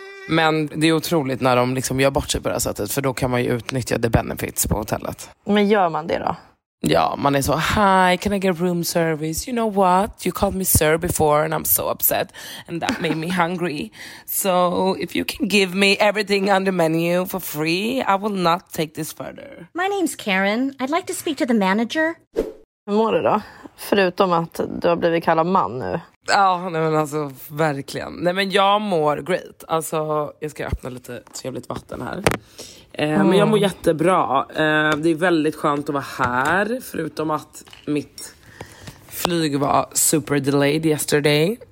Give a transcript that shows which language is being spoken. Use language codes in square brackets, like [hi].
[sv] Men det är otroligt när de liksom gör bort sig på det här sättet. För då kan man ju utnyttja [en] the benefits [sv] på hotellet. Men gör man det då? Ja, man är så, [en] hi, can I get room service? You know what? You called me sir before and I'm so upset. And that made me hungry. So if you can give me everything on the menu for free, I will not take this further. My name's Karen. I'd like to speak to the manager. [sv] Hur mår du då? Förutom att du har blivit kallad man nu. Ja, nej men alltså, verkligen. Nej, men jag mår great. Alltså, jag ska öppna lite trevligt vatten här. Men jag mår jättebra. Det är väldigt skönt att vara här. Förutom att mitt flyg var [en] super delayed yesterday.